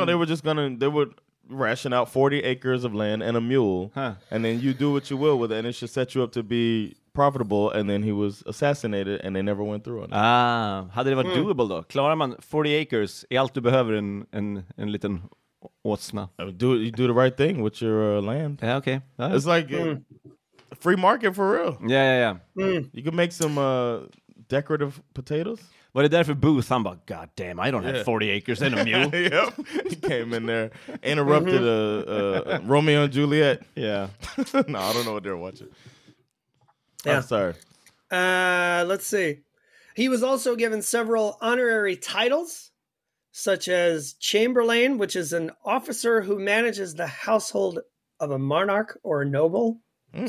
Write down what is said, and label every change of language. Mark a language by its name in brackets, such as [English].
[English] No, they would ration out 40 acres of land and a mule. Huh. And then you do what you will with it, and it should set you up to be profitable. And then he was assassinated, and they never went through on it. [Swedish] Ah, hade det varit doable då? Klarar man [English] 40 acres [Swedish] är allt du behöver en liten åsna. [English] You do the right thing with your land. Yeah, okay. Right. It's like a free market for real. Yeah. Mm. You can make some decorative potatoes. [Swedish] Var det därför Booth, han bara, [English] god damn, I don't have 40 acres and a mule. Yep. He came in there, interrupted Romeo and Juliet. Yeah. No, I don't know what they're watching. Yeah. I'm sorry. Let's see. He was also given several honorary titles, such as Chamberlain, which is an officer who manages the household of a monarch or a noble. Mm.